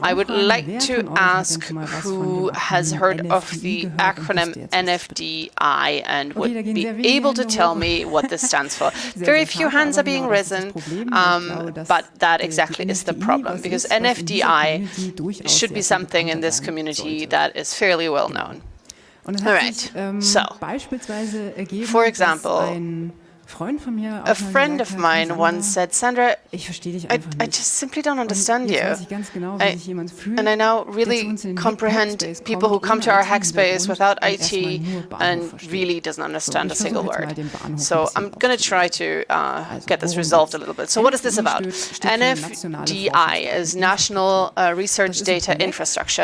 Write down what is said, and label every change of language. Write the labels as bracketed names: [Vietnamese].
[English] I would like to ask who has heard of the acronym NFDI and would be able to tell me what this stands for. Very few hands are being risen, but that exactly is the problem, because NFDI should be something in this community that is fairly well known. [German] Und es hat sich, beispielsweise ergeben, [English] for example, [German] dass ein Freund von mir [English] a friend of mine [German] hat, [English] once said, Sandra, [German] ich verstehe dich einfach nicht. [English] I just simply don't understand [German] und [English] you. [German] Weiß ich ganz genau, wie sich jemand fühlt, [English] and I now really comprehend people who come to our hackspace without IT and really doesn't understand so, a single word. So I'm going to try to get this resolved a little bit. So what is this about? NFDI is National Research Data Infrastructure.